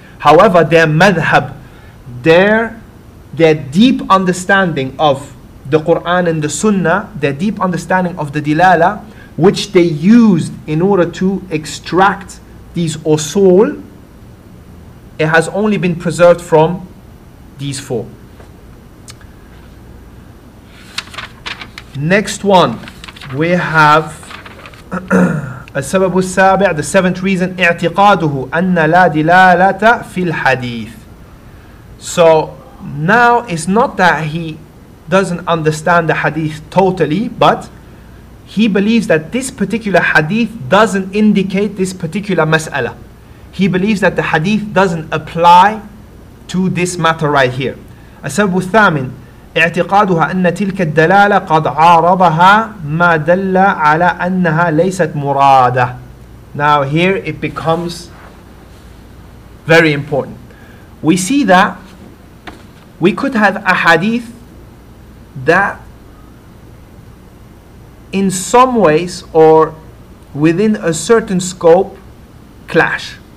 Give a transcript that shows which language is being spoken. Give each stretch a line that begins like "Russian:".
English: However, their madhab, their deep understanding of the Qur'an and the Sunnah, their deep understanding of the Dilala, which they used in order to extract these usul, it has only been preserved from these four. Next one. We have
Arabic: السبب السابع,
English: the seventh reason,
Arabic: اعتقاده أن لا دلالة في الحديث.
English: So now it's not that he doesn't understand the hadith totally, but he believes that this particular hadith doesn't indicate this particular mas'ala. He believes that the hadith doesn't apply to this matter right here.
Arabic: السبب الثامن اعتقادها أن تلك الدلالة قد عارضها ما دل على أنها ليست مرادة.
English: Now here it becomes very important. We see that we could have a hadith that in some ways or within a certain scope clash.